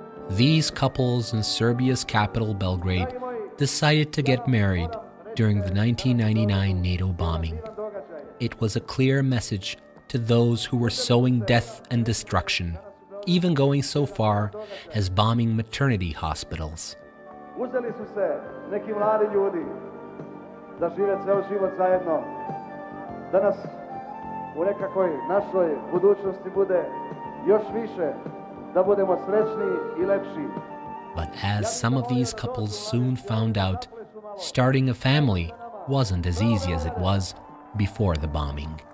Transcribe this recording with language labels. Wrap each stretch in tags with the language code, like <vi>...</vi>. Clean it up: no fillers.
<en>These couples in Serbia's capital Belgrade decided to get married during the 1999 NATO bombing. It was a clear message to those who were sowing death and destruction, even going so far as bombing maternity hospitals.</en> <sr>Uzeli su se neki mladi ljudi da žive ceo život zajedno, da nas u nekakoj našoj budućnosti bude još više, da budemo srećni i lepši.</sr> <en>But as some of these couples soon found out, starting a family wasn't as easy as it was before the bombing.</en>